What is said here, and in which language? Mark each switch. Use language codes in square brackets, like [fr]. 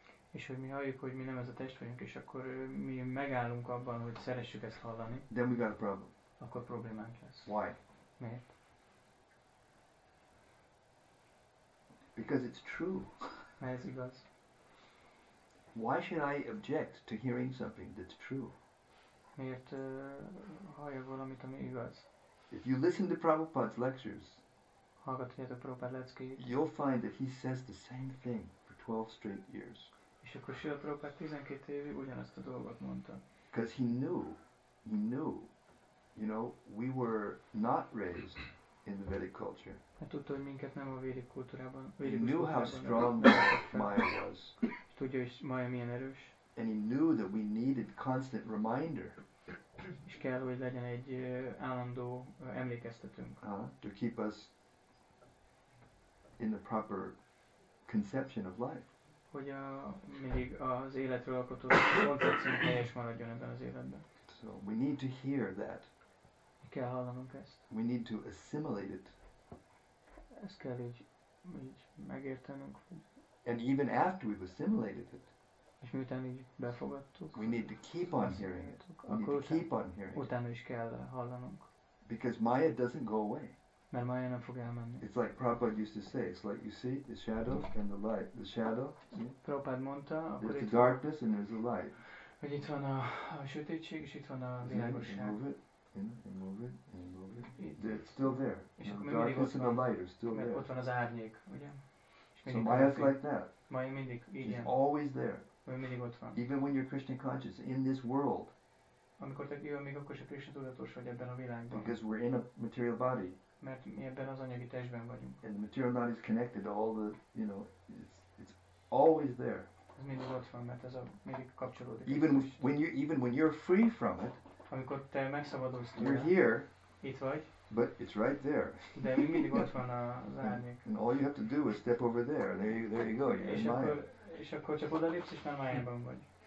[hu] És hogy mi halljuk, hogy mi nem ez a test vagyunk, és akkor mi megállunk abban, hogy szeressük ezt hallani. [en] Then we got a problem. [hu] Akkor problémánk lesz. [en] Why? [hu] Miért? [en] Because it's true. [hu] Mert ez igaz. [en] Why should I object to hearing something that's true? [hu] Miért halljak valamit, ami igaz? [en] If you listen to Prabhupada's lectures, you'll find that he says the same thing for 12 straight years. [hu] És akkor Srila Prabhupada 12 évig ugyanazt a dolgot mondta. [en] Because he knew, you know, we were not raised in the Vedic culture. [hu] Hát tudta, hogy minket nem a védik kultúrában. [en] He knew how strong Maya was. [hu] Tudja, hogy Maya milyen erős. [en] And he knew that we needed constant reminder. [hu] És kell, hogy legyen egy állandó emlékeztetőnk. [en] To keep us in the proper conception of life. [hu] Hogy még az életről alkotó koncepciónk helyes maradjon ebben az életben. [en] So we need to hear that. [hu] Mi kell hallanunk ezt. [en] We need to assimilate it. [hu] Ezt kell így megértenünk. [en] And even after we've assimilated it, [hu] és miután így befogadtuk, [en] we need to keep on hearing it. We need to keep on hearing it. [hu] Utána is kell hallanunk. [en] Because Maya doesn't go away. [hu] Mert Maya nem fog elmenni. [en] It's like Prabhupada used to say, it's like you see the shadow and the light. The shadow, see? [hu] Prabhupada mondta, [en] there's the darkness and there's the light. [hu] Hogy itt van a sötétség és itt van a világosság. [en] You move it, you move it. It's still there. [hu] És [en] the darkness and the light are still there. [hu] Ott van az árnyék, ugye? [en] So Maya's like that. [hu] Maya mindig, igen. [en] She's always there. [hu] Mindig ott van. [en] Even when you're Krishna conscious in this world. [hu] Amikor te jön, még akkor is a Krishna tudatos vagy ebben a világban. [en] Because we're in a material body. [hu] mert mi ebben az anyagi testben vagyunk. [en] And the material body is connected to all the, you know, it's always there. [hu] Ez mindig ott van, mert ez a mindig kapcsolódik. [en] Even when you're free from it, [hu] amikor te megszabadulsz tőle, [en] you're here, [hu] itt vagy, [en] but it's right there. [hu] De mi mindig ott van az árnyék. [en] And all you have to do is step over there, and there you go, you're [hu] és [en] in [hu] akkor, Maya. És akkor csak odalépsz, és már Maya-ban vagy.